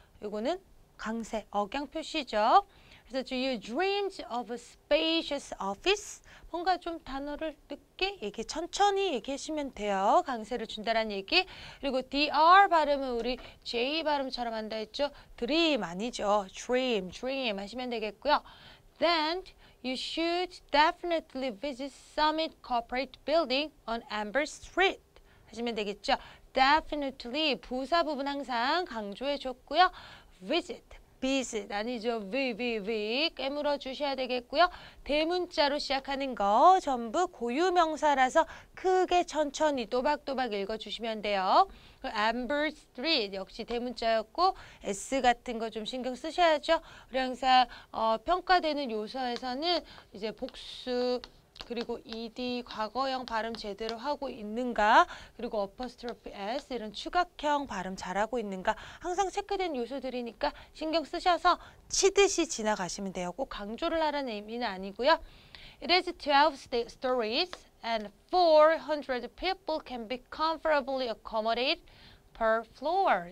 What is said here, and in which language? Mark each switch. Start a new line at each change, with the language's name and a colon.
Korean: 이거는 강세, 억양 표시죠? 그래서
English: Do you dream of a spacious office?
Korean: 뭔가 좀 단어를 늦게 얘기, 천천히 얘기하시면 돼요. 강세를 준다라는 얘기. 그리고 DR 발음은 우리 J 발음처럼 한다 했죠. Dream 아니죠. Dream, dream 하시면 되겠고요.
English: Then you should definitely visit Summit Corporate Building on Amber Street
Korean: 하시면 되겠죠. Definitely 부사 부분 항상 강조해줬고요. Visit. Visit 아니죠. V 깨물어 주셔야 되겠고요. 대문자로 시작하는 거 전부 고유명사라서 크게 천천히 또박또박 읽어주시면 돼요. Amber Street 역시 대문자였고 S 같은 거 좀 신경 쓰셔야죠. 우리 항상 평가되는 요소에서는 이제 복수, 그리고 ed 과거형 발음 제대로 하고 있는가, 그리고 apostrophe s 이런 추가형 발음 잘하고 있는가, 항상 체크된 요소들이니까 신경 쓰셔서 치듯이 지나가시면 돼요. 꼭 강조를 하라는 의미는 아니고요.
English: It is 12 stories and 400 people can be comfortably accommodated per floor.